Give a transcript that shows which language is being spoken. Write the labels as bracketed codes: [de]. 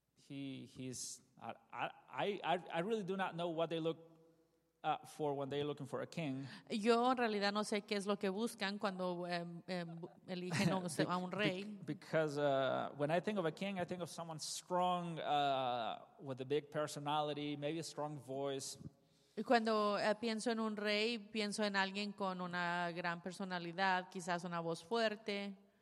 [en] I really do not know what they look for when they're looking for a king. [es] Yo en realidad no sé qué es lo que buscan cuando eligen a un rey. [en] Because when I think of a king, I think of someone strong with a big personality, maybe a strong voice. [es] Y cuando pienso en un rey, pienso en alguien con una gran personalidad, quizás una voz fuerte.